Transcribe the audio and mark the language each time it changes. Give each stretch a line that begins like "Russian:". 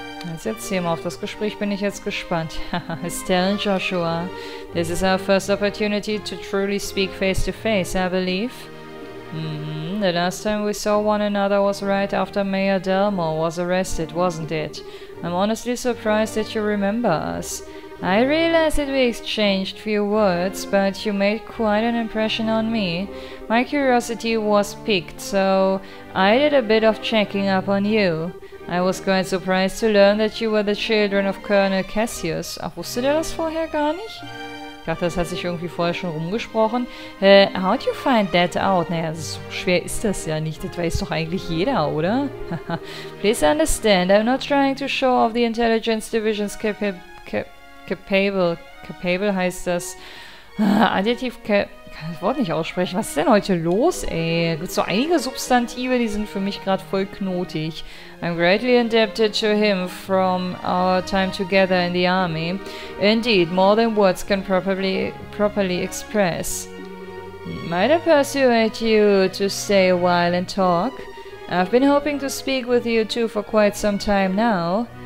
German: Jetzt erzähl mal, auf das Gespräch bin ich jetzt gespannt.
English: Stellen Joshua, this is our first opportunity to truly speak face to face, I believe. The last time we saw one another was right after Mayor Delmore was arrested, wasn't it? I'm honestly surprised that you remember us. I realize that we exchanged few words, but you made quite an impression on me. My curiosity was piqued, so I did a bit of checking up on you. I was quite surprised to learn that you were the children of Colonel Cassius.
German: Ach, wusste der das vorher gar nicht? Ich dachte, das hat sich irgendwie vorher schon rumgesprochen.
English: How'd you find that out?
German: Naja, so schwer ist das ja nicht. Das weiß doch eigentlich jeder, oder?
English: Please understand, I'm not trying to show off the intelligence division's capable
German: heißt das. Adjektiv kann das Wort nicht aussprechen. Was ist denn heute los, ey? Gibt's so einige Substantive, die sind für mich gerade voll knotig.
English: I'm greatly indebted to him from our time together in the army. Indeed, more than words can properly express. Might I persuade you to stay a while and talk? I've been hoping to speak with you two for quite some time now.